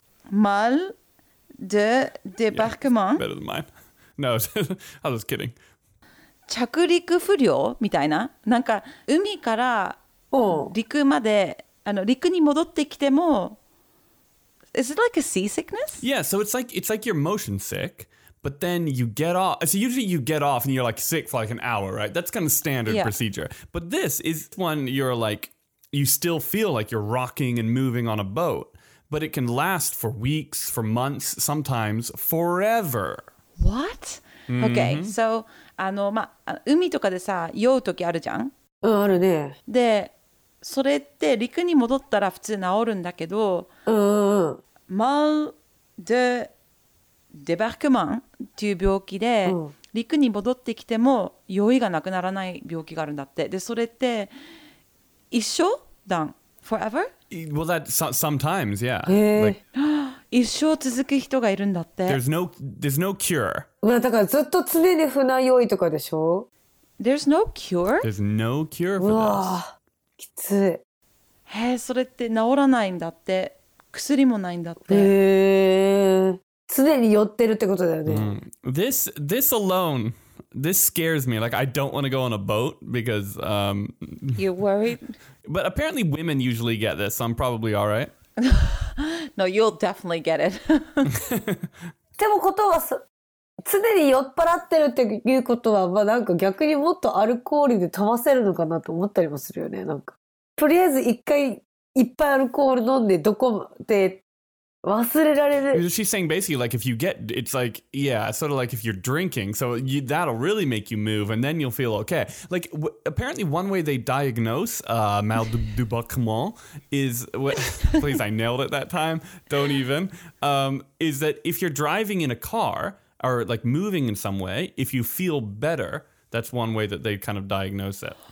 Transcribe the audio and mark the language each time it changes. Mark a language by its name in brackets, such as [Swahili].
[French] Mal de débarquement. [English] Yeah, better than mine. No, I was kidding. [Japanese] 着陸不良みたいな。なんか海から陸まで、あの陸に戻ってきても、 [English] Is it like a seasickness? Yeah, so it's like you're motion sick, but then you get off. So usually you get off and you're like sick for like an hour, right? That's kind of standard procedure. But this is one you're like, you still feel like you're rocking and moving on a boat, but it can last for weeks, for months, sometimes forever. What? Mm-hmm. Okay, so, [Japanese] あの、まあ、海とかでさ、酔うときあるじゃん? うん、あるね。で、それって陸に戻ったら普通治るんだけど、mal de débarquement っていう病気で、陸に戻ってきても酔いがなくならない病気があるんだって。で、それって一生だん [English] Forever? Well, that's sometimes, yeah. [Japanese] へぇ。一生続く人がいるんだって。 [English] There's no cure. [Japanese] まあ、だからずっと常に船酔いとかでしょ? [English] There's no cure? There's no cure for this. [Japanese] きつい。へえ、それって治らないんだって。薬もないんだって。へえ。常に酔ってるってことだよね。 Mm. [English] This alone, this scares me. Like, I don't want to go on a boat because, You're worried? But apparently women usually get this, so I'm probably all right. No, you'll definitely get it. [Japanese] でもことは、常に酔っ払ってるっていうことは、まあなんか逆にもっとアルコールで飛ばせるのかなと思ったりもするよね。なんか。とりあえず一回いっぱいアルコール飲んでどこで忘れられる。 [English] She's saying basically like if you get, it's like, yeah, sort of like if you're drinking, so you, that'll really make you move and then you'll feel okay. Like, apparently one way they diagnose mal de débarquement is, please, I nailed it that time, don't even, is that if you're driving in a car,or like moving in some way, if you feel better, that's one way that they kind of diagnose it.